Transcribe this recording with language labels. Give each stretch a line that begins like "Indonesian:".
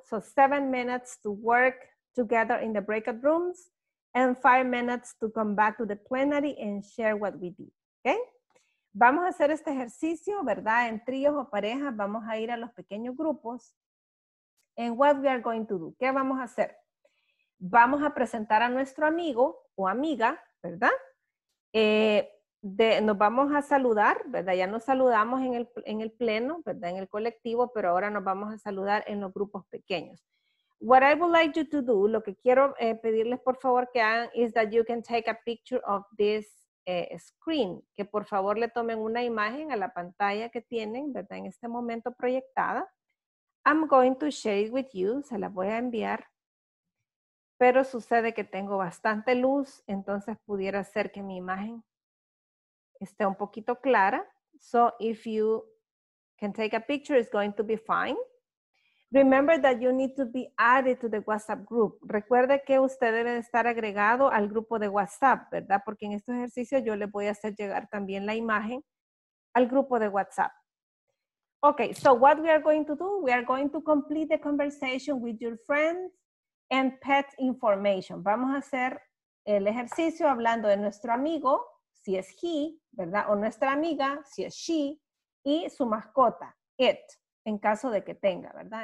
English: So 7 minutes to work together in the breakout rooms and 5 minutes to come back to the plenary and share what we did.
Spanish: Okay? Vamos a hacer este ejercicio, ¿verdad? En tríos o parejas, vamos a ir a los pequeños grupos.
English: And what we are going to do?
Spanish: ¿Qué vamos a hacer? Vamos a presentar a nuestro amigo o amiga, ¿verdad? Nos vamos a saludar, ¿verdad? Ya nos saludamos en el pleno, ¿verdad? En el colectivo, pero ahora nos vamos a saludar en los grupos pequeños.
English: What I would like you to do,
Spanish: lo que quiero pedirles por favor que hagan,
English: is that you can take a picture of this screen,
Spanish: que por favor le tomen una imagen a la pantalla que tienen, ¿verdad? En este momento proyectada.
English: I'm going to share it with you,
Spanish: se la voy a enviar, pero sucede que tengo bastante luz, entonces pudiera ser que mi imagen esté un poquito clara.
English: So if you can take a picture, it's going to be fine. Remember that you need to be added to the WhatsApp group.
Spanish: Recuerde que usted debe estar agregado al grupo de WhatsApp, ¿verdad? Porque en este ejercicio yo le voy a hacer llegar también la imagen al grupo de WhatsApp.
English: Okay, so what we are going to do? We are going to complete the conversation with your friends and pet information.
Spanish: Vamos a hacer el ejercicio hablando de nuestro amigo, si es he, ¿verdad? O nuestra amiga, si es she, y su mascota, it, en caso de que tenga, ¿verdad?